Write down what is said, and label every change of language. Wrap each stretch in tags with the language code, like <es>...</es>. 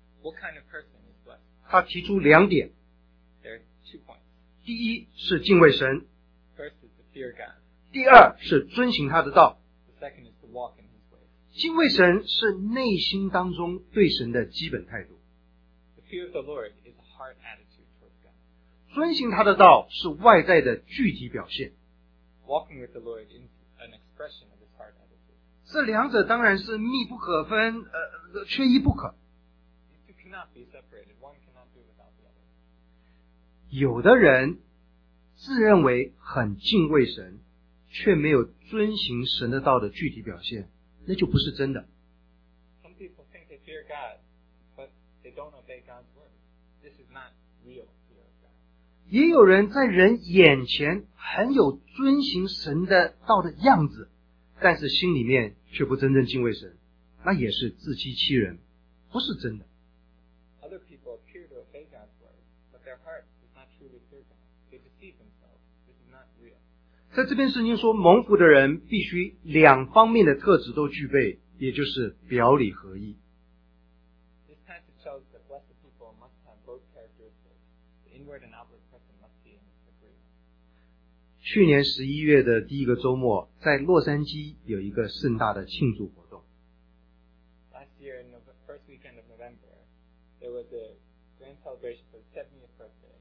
<en>What kind of person is blessed?</en> <zh>他提出两点。</zh> <en>There are two points.</en> <zh>第一是敬畏神。</zh> <en>First is to fear God.</en> <zh>第二是遵行他的道。</zh> <en>The second is to walk in.</en> <zh>敬畏神是内心当中对神的基本态度。</zh> <en>The fear of the Lord is a heart attitude towards God.</en> <zh>遵行他的道是外在的具体表现。</zh> <en>Walking with the Lord is an expression of his heart attitude.</en> <zh>这两者当然是密不可分，缺一不可。</zh> <en>These two cannot be separated. One cannot do without the other.</en> <zh>有的人自认为很敬畏神，却没有遵行神的道的具体表现。那就不是真的。</zh> <en>Some people think they fear God, but they don't obey God's word. This is not real fear of God.</en> <zh>也有人在人眼前很有遵行神的道的样子，但是心里面却不真正敬畏神，那也是自欺欺人，不是真的。</zh> <en>Other people appear to obey God's word, but their heart is not truly fear God. They deceive themselves. This is not real.</en> <zh>在这边圣经说蒙福的人必须两方面的特质都具备，也就是表里合一。</zh> <en>This passage shows that blessed people must have both characteristics, the inward and outward presence. person must be in agreement.</en> <zh>去年11月的第一个周末，在洛杉矶有一个盛大的庆祝活动。</zh> <en>Last year, in the first weekend of November, there was a grand celebration for the 70th birthday.</en>